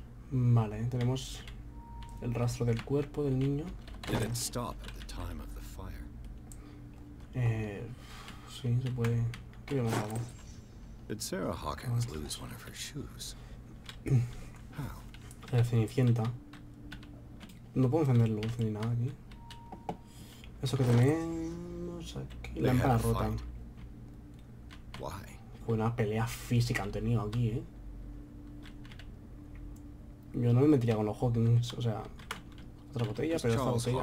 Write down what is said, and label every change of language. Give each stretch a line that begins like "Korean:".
Spanish: Vale, tenemos el rastro del cuerpo del niño.
English: Did it stop at the time of the fire?
Spanish: Sí, se puede. Aquí vemos algo.
English: Did Sarah Hawkins lose one of her shoes? How?
Spanish: La cenicienta. No puedo encender luz ni nada aquí. Eso que tenemos aquí, lámpara rota.
English: Why?
Spanish: Buena pelea física han tenido aquí, ¿eh? Yo no me metería con los Hawkins, o sea, otra botella, pero esta botella.